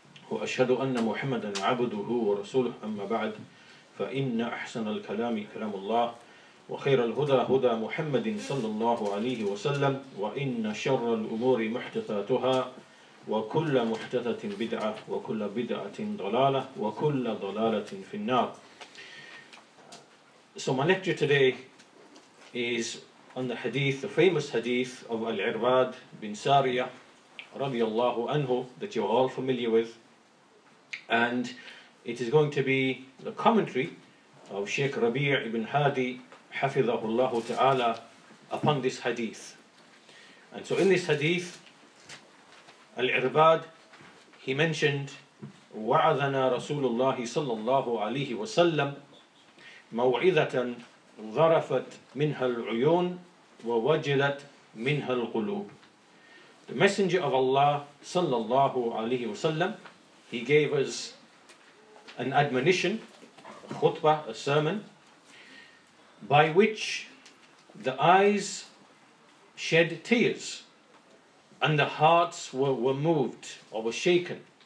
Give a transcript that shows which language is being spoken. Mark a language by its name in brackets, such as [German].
[Arabic] وأشهد أن محمدا عبده ورسوله أما بعد فإن أحسن الكلام كلام الله وخير الهدى هدى محمد صلى الله عليه وسلم وإن شر الأمور محدثاتها وكل محدثة بدعة وكل بدعة ضلالة وكل ضلالة في النار. [English] So my lecture today is on the hadith, the famous hadith of Al-Irbad bin Sariyah [Arabic] رضي الله عنه, [English] that you're all familiar with, and it is going to be the commentary of Sheikh Rabi' ibn Hadi [Arabic] حفظه الله تعالى [English] upon this hadith. And so in this hadith, Al-Irbad, he mentioned, [Arabic] وَعَذَنَا رَسُولُ اللَّهِ صَلَّى اللَّهُ عَلَيْهِ وَسَلَّمُ مَوْعِذَةً ظَرَفَتْ مِنْهَا الْعُيُونَ وَوَجِلَتْ مِنْهَا الْقُلُوبِ. [English] The Messenger of Allah [Arabic] صلى الله عليه وسلم, [English] he gave us an admonition, a khutbah, a sermon, by which the eyes shed tears and the hearts were moved or were shaken.